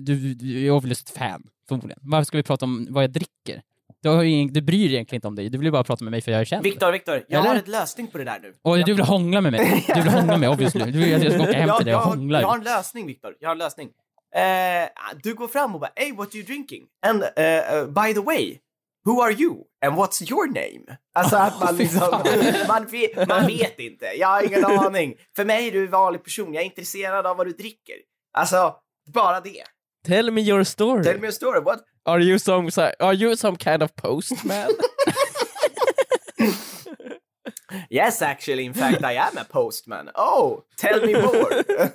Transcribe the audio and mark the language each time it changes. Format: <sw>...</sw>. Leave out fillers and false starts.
<sv>Du är ett fan, förmodligen. Varför ska vi prata om vad jag dricker? Du bryr dig egentligen inte om dig. Du vill bara prata med mig för jag är känd. Viktor, jag har en lösning på det där nu. Och du vill hångla med mig. Du vill hångla med mig, obviously. Du vill att jag ska åka hem till dig och hångla. Jag har en lösning, Viktor. Jag har en lösning. Du går fram och bara,</sv> <en>hey, what are you drinking? And by the way, who are you? And what's your name?</en> <sv>Alltså att man liksom, man vet inte. Jag har ingen aning. För mig är du en vanlig person. Jag är intresserad av vad du dricker. Alltså, bara det.</sv> <en>Tell me your story. Tell me your story. What? Are you some kind of postman? Yes, actually, in fact, I am a postman. Oh, tell me more.</en>